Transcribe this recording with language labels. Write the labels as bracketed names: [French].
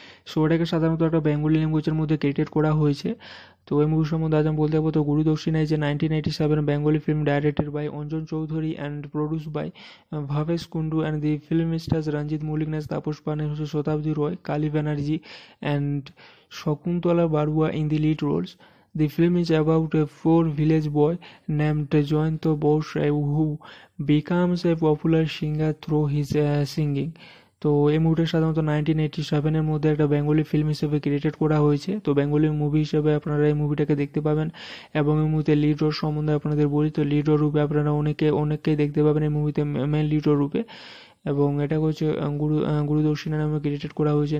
[Bangla] So এটাকে সাধারণত একটা বেঙ্গলি ল্যাঙ্গুয়েজের মধ্যে ক্রিয়েটেড করা হয়েছে। তো এই মুভি সম্বন্ধে আজ আমি বলতে যাবো, তো গুরুদক্ষিণা যে 1997 Bengali film, [English] Directed by Anjan Chowdhury and produce by Bhabesh Kundu, and the film stars Ranjit Mallick, নাচ তাপস পানে, Satabdi Roy, Kali Banerjee and Sakuntala Barua in the lead roles. The film is about a poor village boy named Jayanta Bose who becomes a popular singer through his singing. [Bangla] তো এই মুভিটা সাধারণত 1987 মধ্যে একটা Bengali film হিসেবে created করা হয়েছে। তো বেঙ্গলি মুভি হিসেবে আপনারা এই মুভিটাকে দেখতে পাবেন, এবং এই মুভিতে লিড রোল সম্বন্ধে আপনাদের বলি, তো লিড রোল রূপে আপনারা অনেকে অনেককেই দেখতে পাবেন এই মুভিতে মেন লিড রোল রূপে। এবং এটাকে হচ্ছে গুরু দক্ষিণা নামে ক্রেডিটেড করা হয়েছে।